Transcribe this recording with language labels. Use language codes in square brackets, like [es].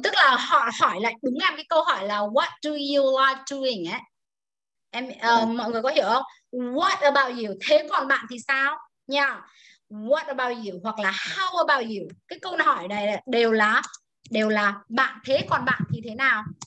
[vi] Tức là họ hỏi lại đúng em cái câu hỏi là [en] what do you like doing [vi] ấy. Em mọi người có hiểu không? [en] What about you? [vi] Thế còn bạn thì sao? Nha. Yeah. [en] What about you [vi] hoặc là [en] how about you? [vi] Cái câu hỏi này đều là bạn, thế còn bạn thì thế nào?